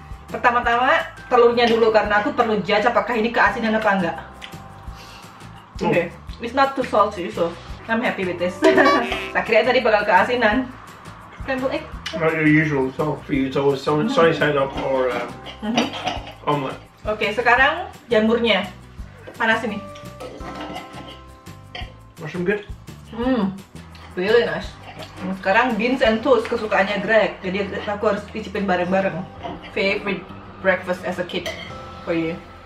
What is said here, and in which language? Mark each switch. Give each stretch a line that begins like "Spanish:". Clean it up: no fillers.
Indonesian: Pertama-tama telurnya dulu karena aku perlu judge apakah ini keasinan apa enggak.
English: Okay, it's not too salty, so I'm happy with this.
Indonesian: Tak kira tadi bakal keasinan. Scrambled egg.
English: Not your usual salt for you. It's always sunny side up or omelet.
Indonesian: Okay, sekarang jamurnya panas ini.
English: Mushroom good. Really nice.
Indonesian: Sekarang beans and toast kesukaannya Greg, jadi aku harus cicipin bareng-bareng.
English: Favorite breakfast as a kid for you.